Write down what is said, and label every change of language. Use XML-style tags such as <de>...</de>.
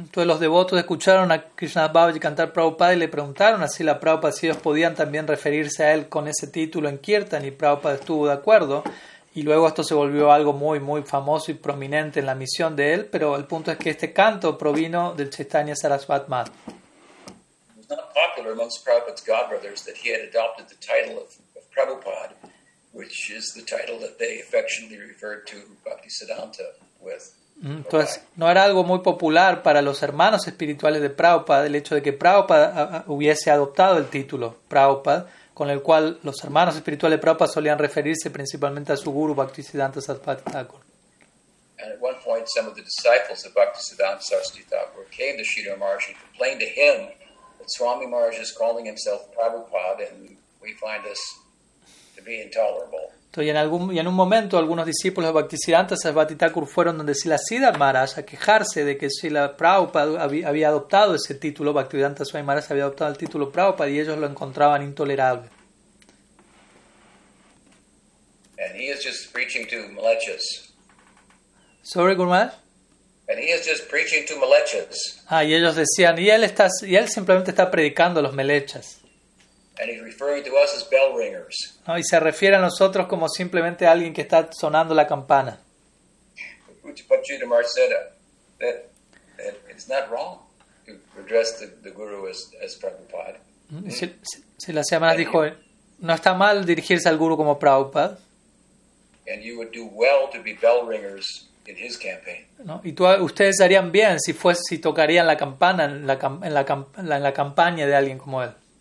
<es>Entonces los devotos escucharon a Krishnadas Babaji cantar Prabhupada y le preguntaron a Srila Prabhupada si ellos podían también referirse a él con ese título en Kirtan, y Prabhupada estuvo de acuerdo, y luego esto se volvió algo muy muy famoso y prominente en la misión de él, pero el punto es que este canto provino del Chaitanya Saraswati Mata.</es> <en>It was not popular amongst Prabhupada's godbrothers that he had adopted the title of Prabhupada, which is the title that they affectionately referred to Bhaktisiddhanta with.</en> <es>Entonces, no era algo muy popular para los hermanos espirituales de Prabhupada el hecho de que Prabhupada hubiese adoptado el título Prabhupada, con el cual los hermanos espirituales de Prabhupada solían referirse principalmente a su guru Bhaktisiddhanta Sarasvati Thakur.</es> <en>And at one point, some of the disciples of Bhaktisiddhanta Sarasvati Thakur came to Sridhar Maharaj and complained to him that Swami Maharaj is calling himself Prabhupada, and we find this intolerable.</en> <es>Y en un momento algunos discípulos de Bhaktisiddhanta Sarasvati Thakur fueron donde Srila Sridhar Maharaj a quejarse de que Srila Prabhupada había adoptado ese título, Bhaktivedanta Swami Maharaj había adoptado el título Prabhupada, y ellos lo encontraban intolerable.</es> <en>And he is just preaching to malechas. Sorry, Guru Maharaj? And he is just preaching to malechas.</en> <es>Y ellos decían, y él simplemente está predicando a los malechas.</es> <en>And he's referring to us as bell ringers.</en> <es>No, y se refiere a nosotros como simplemente a alguien que está sonando la campana.</es> <en>But Sridhar Maharaj said that it's not wrong to address the guru as Prabhupada.</en> <es>Si la semana dijo, no está mal dirigirse al guru como Prabhupada.</es> <en>And you would do well to be bell ringers in his campaign.</en> <es>No, y ustedes harían bien si tocarían la campana en la campaña de alguien como él.</es>